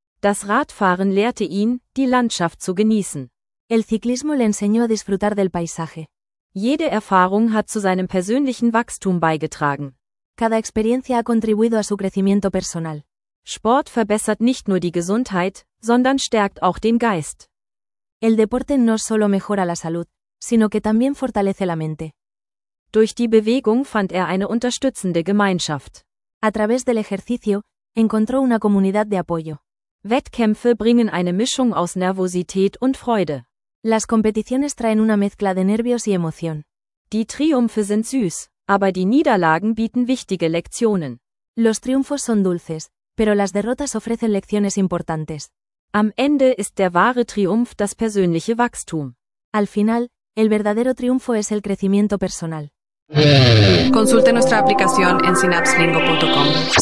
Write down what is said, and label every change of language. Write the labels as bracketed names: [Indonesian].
[German] Das Radfahren lehrte ihn, die Landschaft zu genießen. [Spanish] El ciclismo le enseñó a disfrutar del paisaje. [German] Jede Erfahrung hat zu seinem persönlichen Wachstum beigetragen. [Spanish] Cada experiencia ha contribuido a su crecimiento personal. [German] Sport verbessert nicht nur die Gesundheit, sondern stärkt auch den Geist. [Spanish] El deporte no solo mejora la salud, sino que también fortalece la mente. [German] Durch die Bewegung fand er eine unterstützende Gemeinschaft. [Spanish] A través del ejercicio, encontró una comunidad de apoyo. [German] Wettkämpfe bringen eine Mischung aus Nervosität und Freude. [Spanish] Las competiciones traen una mezcla de nervios y emoción. [German] Die Triumphe sind süß, aber die Niederlagen bieten wichtige Lektionen. [Spanish] Los triunfos son dulces, pero las derrotas ofrecen lecciones importantes. [German] Am Ende ist der wahre Triumph das persönliche Wachstum. [Spanish] Al final, el verdadero triunfo es el crecimiento personal. Consulte nuestra aplicación en synapslingo.com.